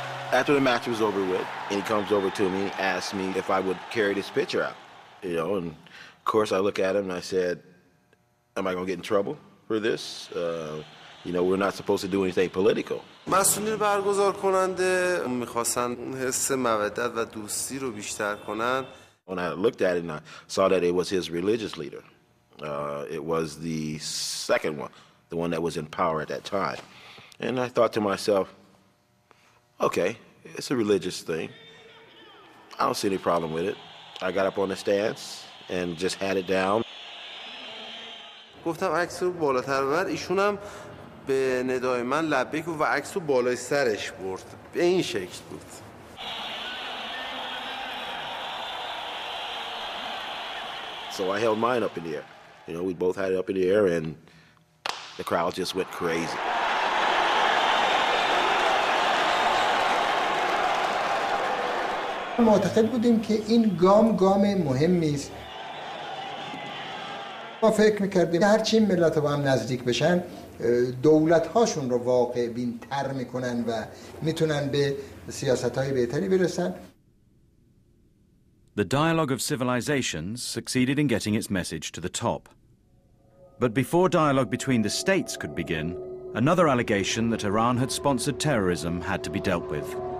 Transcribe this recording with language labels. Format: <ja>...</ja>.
<en>After the match was over with, and he comes over to me and asks me if I would carry this picture out. You know, and of course I look at him and I said, am I going to get in trouble for this? You know, we're not supposed to do anything political.</en> <fa>مسئولین برگزار کننده میخواستن حس مودت و دوستی رو بیشتر کنن.</fa> <en>When I looked at it and I saw that it was his religious leader. It was the second one, the one that was in power at that time. And I thought to myself, okay, it's a religious thing. I don't see any problem with it. I got up on the stands and just had it down.</en> <fa>گفتم عکس رو بالاتر ببر. ایشون هم به ندای من لبه و عکس رو بالای سرش برد. به این شکل بود.</fa> <en>So I held mine up in the air. You know, we both had it up in the air and the crowd just went crazy.</en> <fa>معتقد بودیم که این گام مهمی است. ما فکر میکردیم هرچی ملت ها با هم نزدیک بشن دولت هاشون رو واقع بین تر میکنن و میتونن به سیاست های بهتری برسن.</fa> <en>The dialogue of civilizations succeeded in getting its message to the top. But before dialogue between the states could begin, another allegation that Iran had sponsored terrorism had to be dealt with.</en>